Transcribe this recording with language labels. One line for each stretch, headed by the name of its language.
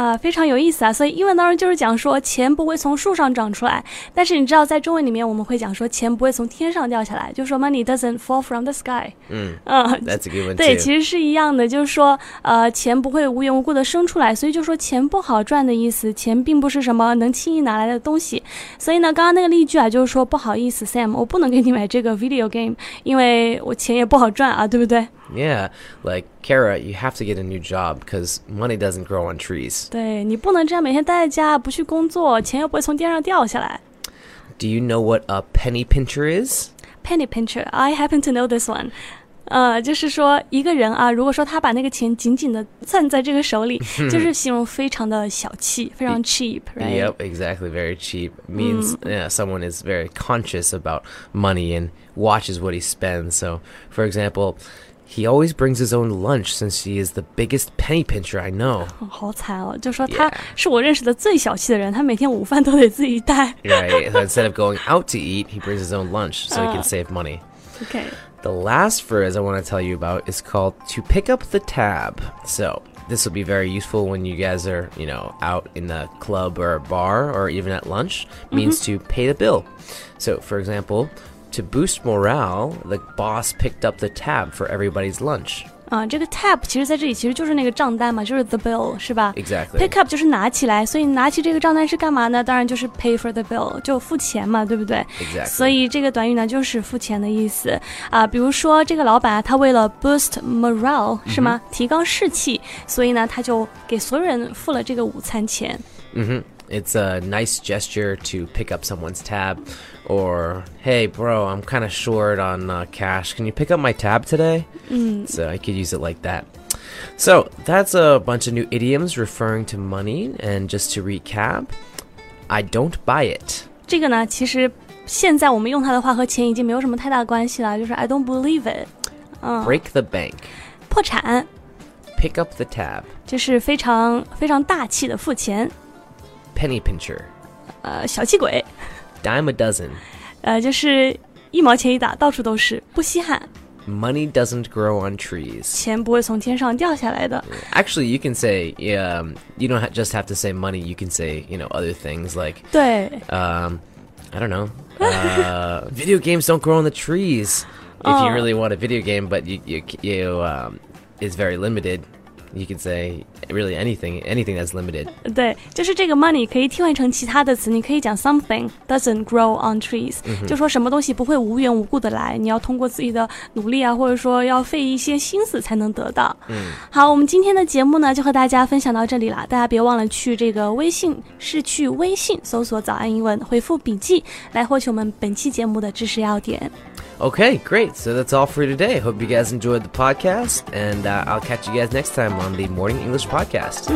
Chinese: 非常有意思啊。所以英文当然就是讲说钱不会从树上长出来。但是你知道在中文里面我们会讲说钱不会从天上掉下来。就是说
English: money doesn't fall from the sky. That's a good one too.
Chinese: 对其实是一样的就是说钱不会无缘无故的生出来。所以就说钱不好赚的意思钱并不是什么能轻易拿来的东西。所以呢刚刚那个例句啊就是说不好意思 Sam, 我不能给你买这个 video game, 因为我钱也不好赚啊对不对
English: Yeah, like, Kara, you have to get a new job because money doesn't grow on trees.
Chinese: 对,你不能这样每天待在家,不去工作,钱又不会从天上掉下来。
English: Do you know what a penny pincher is? Penny pincher, I happen to know this one.
Chinese: 就是说一个人啊,如果说他把那个钱紧紧的攥在这个手里,就是形容非常的小气,非常 cheap, right?
English: Yep, exactly, very cheap. Means, yeah, someone is very conscious about money and watches what he spends. So, for example... He always brings his own lunch since he is the biggest penny pincher I know.
Chinese: 好惨哦，就说他是我认识的最小气的人，他每天午饭都得自己带。
English: Right, so instead of going out to eat, he brings his own lunch so he can save money. Okay. The last phrase I want to tell you about is called to pick up the tab. So this will be very useful when you guys are, you know, out in the club or a bar or even at lunch. Means to pay the bill. So, for example, to boost morale, the boss picked up the tab for everybody's lunch.
Chinese: 这个 tab 其实在这里其实就是那个账单嘛，就是 the bill 是吧
English: ？Exactly.
Chinese: Pick up 就是拿起来，所以拿起这个账单是干嘛呢？当然就是
English: pay for the bill，
Chinese: 就付钱嘛，对不对
English: ？Exactly.
Chinese: 所以这个短语呢就是付钱的意思啊。比如说这个老板他为了 boost morale 是吗？ Mm-hmm. 提高士气，所以呢他就给所有人付了这个午餐钱。 Mm-hmm.
English: It's a nice gesture to pick up someone's tab, or hey, bro, I'm kind of short on cash. Can you pick up my tab today? So I could use it like that. So that's a bunch of new idioms referring to money. And just to recap, I don't buy it.
Chinese: 这个呢，其实现在我们用它的话和钱已经没有什么太大关系了，就是
English: I don't believe it. Break the bank.
Chinese: 破产。
English: Pick up the tab.
Chinese: 就是非常非常大气的付钱。
English: Penny pincher.
Chinese: 小气鬼。
English: Dime a dozen.
Chinese: 就是一毛钱一打，到处都是，不稀罕。
English: Money doesn't grow on trees.
Chinese: 钱不会从天上掉下来的。
English: Actually, you can say, you don't just have to say money, you can say, you know, other things like,
Chinese: 对。
English: I don't know, video games don't grow on the trees. If you really want a video game, but it's very limited. You can say really anything that's limited.
Chinese: 对，就是这个 money 可以替换成其他的词，你可以讲
English: something doesn't grow on trees，
Chinese: 就说什么东西不会无缘无故的来，你要通过自己的努力啊，或者说要费一些心思才能得到。好，我们今天的节目呢，就和大家分享到这里了。大家别忘了去这个微信，是去微信搜索早安英文，回复笔记，来获取我们本期节目的知识要点。
English: Okay, great. So that's all for today. Hope you guys enjoyed the podcast. And I'll catch you guys next time on the Morning English Podcast.